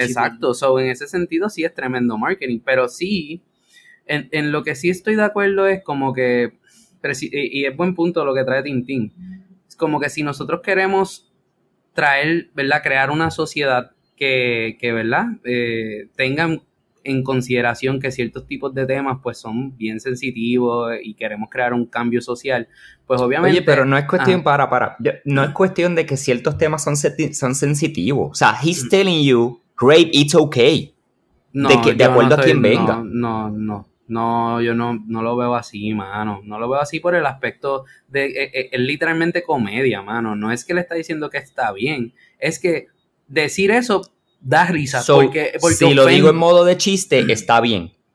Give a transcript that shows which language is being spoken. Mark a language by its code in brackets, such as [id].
[es] Exacto, so en ese sentido sí es tremendo marketing, pero sí, en lo que sí estoy de acuerdo es como que, y es buen punto lo que trae Tintín, es como que si nosotros queremos traer, ¿verdad?, crear una sociedad que ¿verdad?, tengan en consideración que ciertos tipos de temas pues son bien sensitivos y queremos crear un cambio social, pues obviamente... Oye, pero no es cuestión, no es cuestión de que ciertos temas son sensitivos. O sea, [en] he's telling you, rape, it's okay. [es] No, de que, de acuerdo no soy, a quien venga. No, yo no lo veo así, mano. No lo veo así por el aspecto de... Es literalmente comedia, mano. No es que le está diciendo que está bien. Es que decir eso da risa. So, porque si lo digo en modo de chiste, está bien.